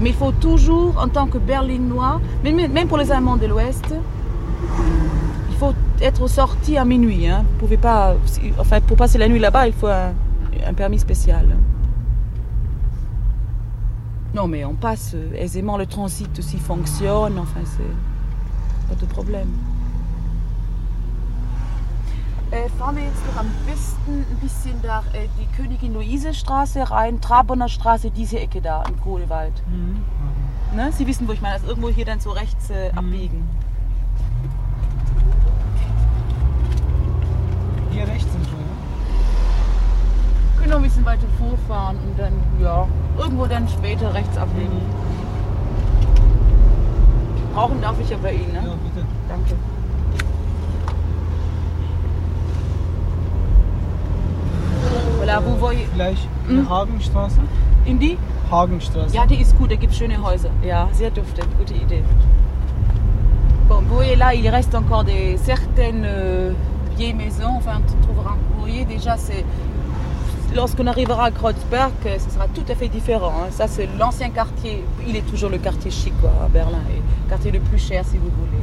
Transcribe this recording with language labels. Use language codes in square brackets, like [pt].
[fr] Mais il faut toujours, en tant que Berlinois, même pour les Allemands de l'Ouest, il faut être sorti à minuit. Hein. Vous pouvez pas, enfin, pour passer la nuit là-bas, il faut un permis spécial. Non, mais on passe aisément, le transit aussi fonctionne, enfin, c'est pas de problème. [de] Fahren wir jetzt noch am besten ein bisschen da die Königin-Luise-Straße rein, Trabonner Straße, diese Ecke da im Grunewald. Mhm. Ne? Sie wissen, wo ich meine, also irgendwo hier dann so rechts abbiegen. Hier rechts sind wir, ne? Können noch ein bisschen weiter vorfahren und dann, ja, irgendwo dann später rechts abbiegen. Mhm. Brauchen darf ich ja bei Ihnen, ne? Ja, bitte. Danke. Voilà, wo wir gleich in die Hagenstraße. In die? Hagenstraße. Ja, die ist gut, da gibt es schöne Häuser. Ja, sehr duftet, gute Idee. [fr] Bon, vous voyez là, il reste encore des certaines vieilles maisons. Enfin, tu trouveras. Vous voyez, déjà, c'est. Lorsqu'on arrivera à Kreuzberg, ce sera tout à fait différent. Hein. Ça, c'est l'ancien quartier. Il est toujours le quartier chic, quoi, à Berlin. Et le quartier le plus cher, si vous voulez.